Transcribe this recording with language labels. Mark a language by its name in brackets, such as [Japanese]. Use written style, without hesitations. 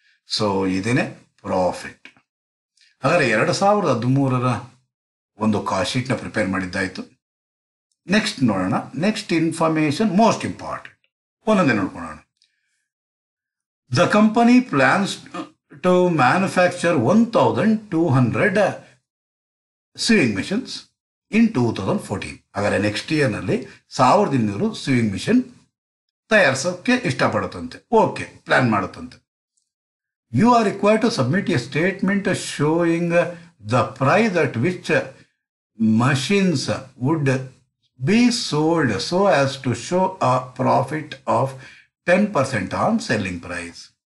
[Kannada] So ಇದೇನೇ profit. ಹಾಗಾದರೆ 2013ರ ಒಂದು ಕಾಶೀಟ್ನ prepare ಮಾಡಿದ್ದಾಯಿತು. Next ನೋಡೋಣ, [English] next information most important, [Kannada] ಒಂದೊಂದೇ ನೋಡ್ಕೊಳೋಣ. [English] The company plans to manufacture 1,200 sewing machines in 2014. [Kannada] ಹಾಗಾದರೆ next ಇಯರ್ನಲ್ಲಿ 1,800 swing mission ತಯಾರಿಸೋಕ್ಕೆ ಇಷ್ಟಪಡುತ್ತಂತೆ. Okay, plan ಮಾಡುತ್ತಂತೆ. [English] You are required to submit a statement showing the price at which machines would be sold so as to show a profit of 10% on selling price.